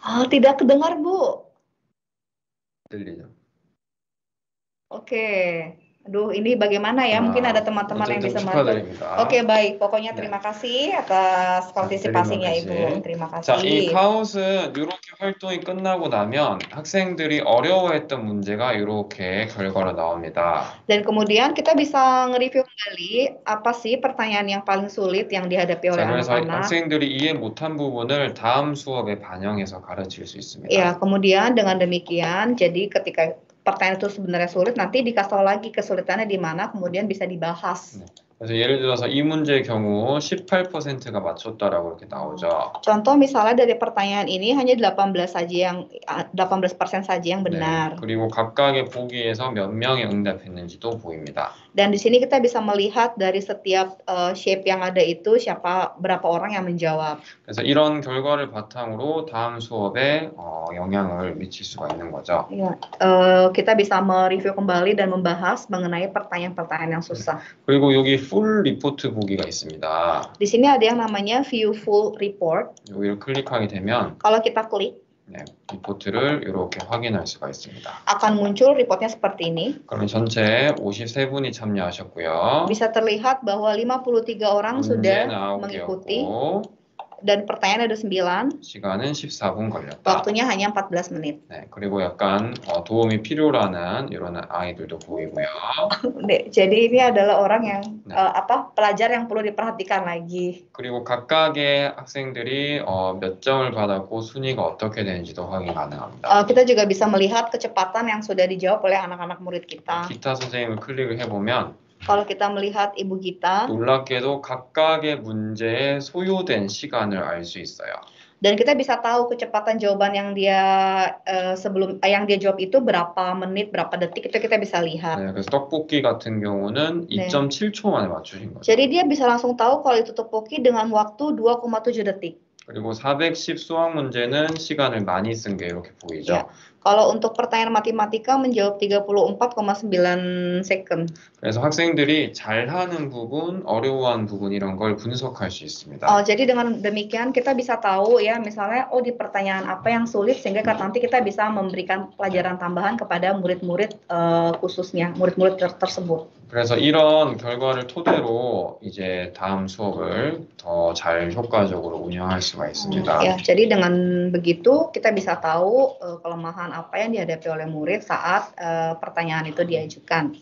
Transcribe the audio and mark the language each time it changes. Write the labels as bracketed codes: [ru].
[id] tidak kedengar, Bu. [ko] 들리죠. [id] Oke. Aduh, ini bagaimana ya? Mungkin ada teman-teman yang bisa membantu. Oke, baik. Pokoknya terima kasih atas partisipasinya, Ibu. Terima kasih. [ko] 자, 이 카운트는 이렇게 활동이 끝나고 나면 학생들이 어려워했던 문제가 이렇게 결과로 나옵니다. [id] Dan kemudian kita bisa nge-review kembali apa sih pertanyaan yang paling sulit yang dihadapi oleh anak-anak. [ko] 그래서 학생들이 이해 못한 부분을 다음 수업에 반영해서 가르칠 수 있습니다. [id] Ya, kemudian dengan demikian jadi ketika pertanyaan itu sebenarnya sulit, nanti dikasih tahu lagi kesulitannya di mana, kemudian bisa dibahas. [ko] 그래서 예를 들어서 이 문제의 경우 18%가 맞췄다라고 이렇게 나오죠. [id] Contoh misalnya dari pertanyaan ini hanya 18% 사이 yang benar. [ko] 네, 그리고 각각의 보기에서 몇 명이 응답했는지도 보입니다. [id] Dan di sini kita bisa melihat dari setiap shape yang ada itu siapa berapa orang yang menjawab. [ko] 그래서 이런 결과를 바탕으로 다음 수업에 영향을 미칠 수가 있는 거죠. [id] Kita bisa mereview kembali dan membahas mengenai pertanyaan-pertanyaan yang susah. [ko] 그리고 여기 full report 보기가 있습니다. [id] Di sini ada yang namanya view full report. [ko] 여기를 클릭하게 되면 [id] kalau kita klik [ko] 네, 리포트를 이렇게 확인할 수가 있습니다. [id] Akan muncul report-nya seperti ini. [ko] 그러면 전체 53분이 참여하셨고요. [id] Bisa terlihat bahwa 53 orang sudah mengikuti. [ko] 오케이였고, [id] dan pertanyaan ada 9. [ko] 시간은 14분 걸렸다. [id] Waktunya hanya 14 menit. [ko] 네, 그리고 약간 도움이 필요라는 이런 아이들도 보이고요. [id] 네, jadi ini adalah orang yang 네. Pelajar yang perlu diperhatikan lagi. [ko] 그리고 각각의 학생들이 몇 점을 받았고 순위가 어떻게 되는지도 확인 가능합니다. [id] Kita juga bisa melihat kecepatan yang sudah dijawab oleh anak-anak murid kita. [ko] Gita 선생님을 클릭을 해보면 [id] kalau kita melihat Ibu Gita [ko] 놀랍게도 각각의 문제에 소요된 시간을 알 수 있어요. [id] Dan kita bisa tahu kecepatan jawaban yang dia yang dia jawab itu berapa menit, berapa detik itu kita bisa lihat. [ko] 네, 그래서 떡볶이 같은 경우는 2.7초만에 맞추신 거죠. [id] Jadi dia bisa langsung tahu kalau itu tteokbokki dengan waktu 2.7 detik. [ko] 그리고 410 수학 문제는 시간을 많이 쓴 게 이렇게 보이죠. Yeah. [id] Kalau untuk pertanyaan matematika menjawab 34,9 second. [ko] 그래서 학생들이 잘하는 부분, 어려운 부분 이런 걸 분석할 수 있습니다. [id] Oh, jadi dengan demikian kita bisa tahu ya misalnya oh di pertanyaan apa yang sulit sehingga kata nanti kita bisa memberikan pelajaran tambahan kepada murid-murid khususnya murid-murid tersebut. [ko] 그래서 이런 결과를 토대로 이제 다음 수업을 더 잘 효과적으로 운영할 수가 있습니다. [id] Ya, jadi dengan begitu kita bisa tahu kelemahan apa yang dihadapi oleh murid saat pertanyaan itu diajukan.